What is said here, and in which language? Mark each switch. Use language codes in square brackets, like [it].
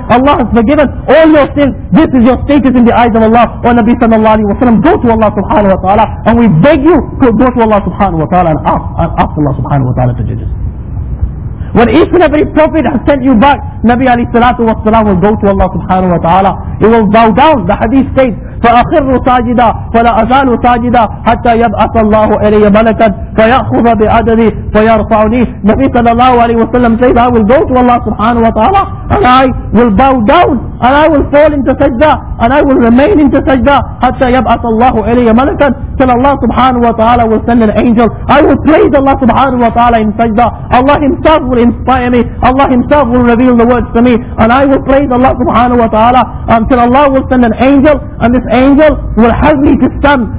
[en] Allah has forgiven all your sins. This is your status in the eyes of Allah. O Nabi sallallahu alayhi wa sallam, go to Allah subhanahu wa ta'ala. And we beg you to go to Allah subhanahu wa ta'ala and ask Allah subhanahu wa ta'ala to judge us. When each and every prophet has sent you back, Nabi alayhi salatu wa sallam will go to Allah subhanahu wa ta'ala. He will bow down. [ar] The hadith states, فَأَخِرُّ سَاجِدًا فَلَا أَزَالُ سَاجِدًا حَتَّى يَبْعَثَ اللَّهُ إِلَيَّ مَلَكًا فَيَأْخُذَ بِعَدَدِي فيرفعني. النبي صلى الله عليه وسلم [en] said, I will go to Allah subhanahu wa ta'ala and I will bow down and I will fall into sajda and I will remain into sajda [ar] حتى يبعث الله إلي ملكا, [en] till Allah subhanahu wa ta'ala will send an angel. I will praise Allah subhanahu wa ta'ala in sajda. Allah himself will inspire me, Allah himself will reveal the words to me, and I will praise Allah subhanahu wa ta'ala until Allah will send an angel, and this angel will help me to stand.